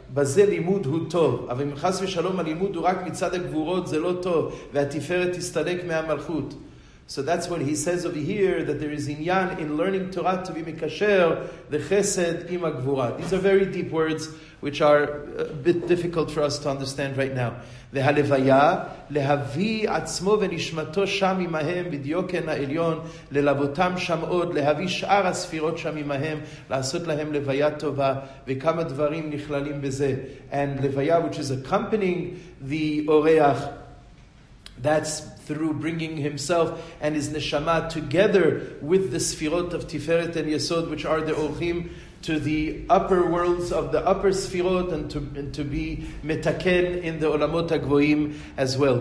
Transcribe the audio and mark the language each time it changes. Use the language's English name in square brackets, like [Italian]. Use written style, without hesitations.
[Hebrew] בזה לימוד הוא טוב, אבל אם חס ושלום הלימוד הוא רק מצד הגבורות, זה לא טוב, והתפארת תסתלק מהמלכות. [English] So that's what he says over here, that there is עניין in learning Torah to be מקשר לחסד עם הגבורה. These are very deep words, which are a bit difficult for us to understand right now. [Hebrew] והלוויה, להביא עצמו ונשמתו שם עמהם, בדיוקן העליון, ללוותם שם עוד, להביא שאר הספירות שם עמהם, לעשות להם לוויה טובה, וכמה דברים נכללים בזה. [English] And לוויה, which is accompanying the אורח, that's through bringing himself and his neshama together with the sefirot of Tiferet and Yesod, which are the Orchim, to the upper worlds of the upper sefirot, and to be metaken in the olamot ha'gvoyim as well.